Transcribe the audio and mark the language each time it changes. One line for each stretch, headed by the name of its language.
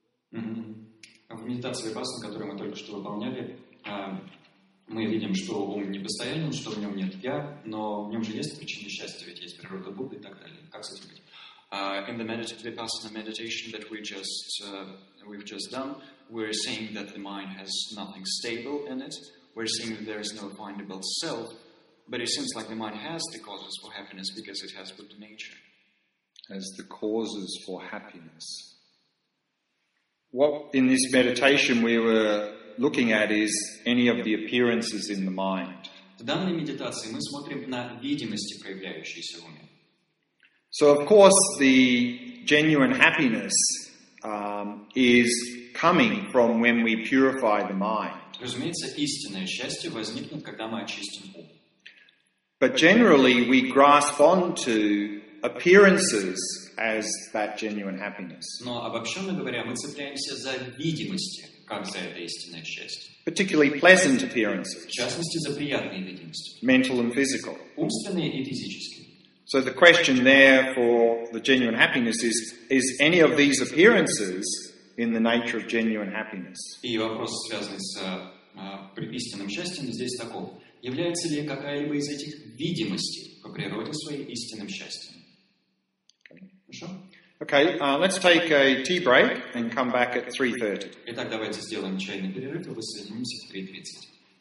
Russian: В медитации Випассана, которую мы только что выполняли, мы видим, что ум не постоянен, что в нем нет я, но в нем же есть причины счастья, ведь есть природа Будды и так далее. Как с этим быть?
English: In the Vipassana meditation that we've just done, we're saying that the mind has nothing stable in it. We're saying that there is no findable self, but it seems like the mind has the causes for happiness because it has Buddha nature. As the causes for happiness. What in this meditation we were looking at is any of the appearances in the mind.
Russian: В данной медитации мы смотрим на видимости, проявляющиеся в уме.
English: So of course the genuine happiness is coming from when we purify the mind.
Russian: Разумеется, истинное счастье возникнет, когда мы очистим ум.
English: But generally we grasp on to appearances as that genuine happiness.
Russian: Но обобщенно говоря, мы цепляемся за видимости, как за это истинное счастье.
English: Particularly pleasant appearances.
Russian: В частности, за приятные видимости.
English: Mental and physical.
Russian: Умственные и физические.
English: So the question there for the genuine happiness is any of these appearances in the nature of genuine happiness?
Russian: И вопрос, связанный с истинным счастьем, здесь таков. Является ли какая-либо из этих видимостей по природе своей истинным счастьем?
English: Okay, let's take a tea break and come back at 3:30.
Russian: Итак, давайте сделаем чайный перерыв и воссоединимся в 3:30.